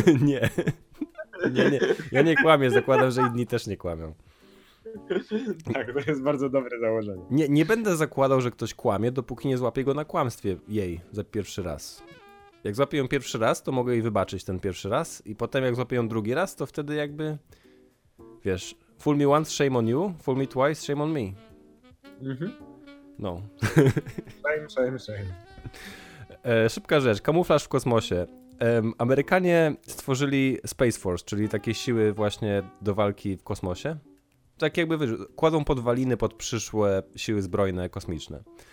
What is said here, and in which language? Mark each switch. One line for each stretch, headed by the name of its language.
Polish: Nie. Ja nie kłamię, zakładam, że inni też nie kłamią. Tak, to jest bardzo dobre założenie. Nie będę zakładał, że ktoś kłamie, dopóki nie złapię go na kłamstwie jej za pierwszy raz. Jak złapię ją pierwszy raz, to mogę jej wybaczyć ten pierwszy raz. I potem jak złapię ją drugi raz, to wtedy jakby...
English: Wiesz, fool me once, shame on you. Fool me twice, shame on me.
Polish: No.
English: Shame.
Polish: Szybka rzecz, kamuflaż w kosmosie. Amerykanie stworzyli Space Force, czyli takie siły właśnie do walki w kosmosie. Tak jakby kładą podwaliny pod przyszłe siły zbrojne kosmiczne.